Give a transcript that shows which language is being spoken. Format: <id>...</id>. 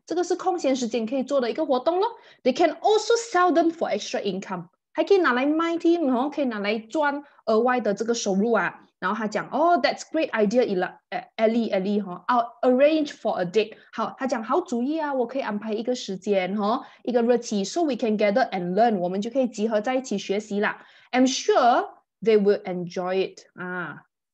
<zh>这个是空闲时间可以做的一个活动咯。</zh> <en>They can also sell them for extra income.</en> <zh>还可以拿来卖的然后可以拿来赚额外的这个收入啊然后他讲哦、</zh> <en>oh, That's great idea Ellie、</en> <zh>哦、</zh> <en>I'll arrange for a date</en> <zh>好他讲好主意啊我可以安排一个时间、哦、一个日期</zh> <en>So we can gather and learn</en> <zh>我们就可以集合在一起学习啦</zh> <en>I'm sure they will enjoy it</en> <zh>啊，</zh>